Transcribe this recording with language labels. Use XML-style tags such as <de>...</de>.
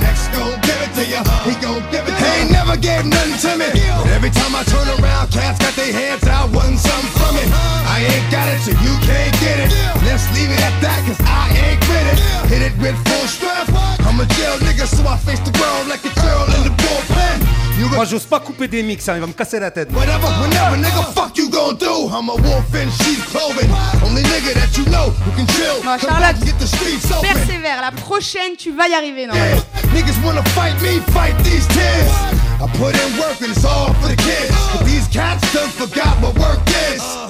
<en>X gon' give it to ya, he gon' give it to ya. He ain't never gave nothing to me. But every time I turn around, cats got their hands out, wanting something from it. I ain't got it, so you can't get it. Let's leave it at that, cause I ain't quit it. Hit it with full strength. I'm a jail nigga, so I face the world like a girl in the bullpen.</en> <fr>Moi j'ose pas couper des mix, hein, il va me casser la tête.</fr> <en>Whatever, whenever, nigga, fuck you gon' do. I'm a wolf in sheep's clothing. Only nigga that you know who can chill.</en> <fr>Ma Charlotte, persévère, la prochaine tu vas y arriver, non?</fr> <en>Yeah. Niggas wanna fight me, fight these tears. I put in work and it's all for the kids. But these cats done forgot what work is.</en>